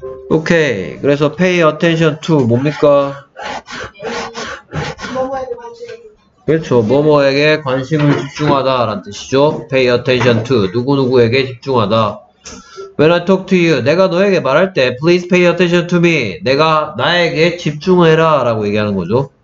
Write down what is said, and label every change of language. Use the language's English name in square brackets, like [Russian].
[Korean] 오케이. 그래서 [English] pay attention to [Korean] 뭡니까? 그렇죠. 뭐뭐에게 관심을 집중하다 라는 뜻이죠. [English] pay attention to [Korean] 누구누구에게 집중하다. [English] When I talk to you, [Korean] 내가 너에게 말할 때, [English] please pay attention to me. [Korean] 내가 나에게 집중해라 라고 얘기하는 거죠.